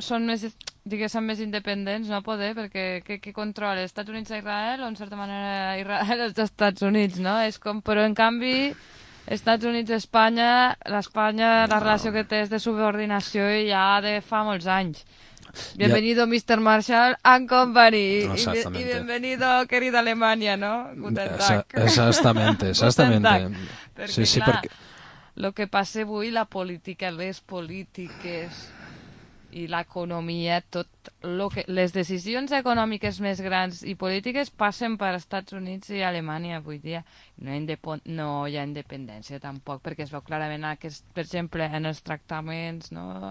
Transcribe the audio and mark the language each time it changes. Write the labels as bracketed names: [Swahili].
[Catalan] Són més, diguéssim, més independents, no poder, perquè què controla? Estats Units a Israel o, en certa manera, Israel als Estats Units, no? És com, però, en canvi, Estats Units, Espanya, l'Espanya, la relació que té és de subordinació i ja de fa molts anys. [Spanish] Bienvenido, Mr. Marshall and Company. Y bienvenido, querida Alemania, ¿no? [German] Guten Tag. [Spanish] Exactamente. [Catalan] Sí, sí, perquè lo que passa avui, la política, les polítiques i l'economia, tot lo que les decisions econòmiques més grans i polítiques passen per Estats Units i Alemanya avui dia. No hi ha independència tampoc, perquè es veu clarament aquest, per exemple, en els tractaments, no?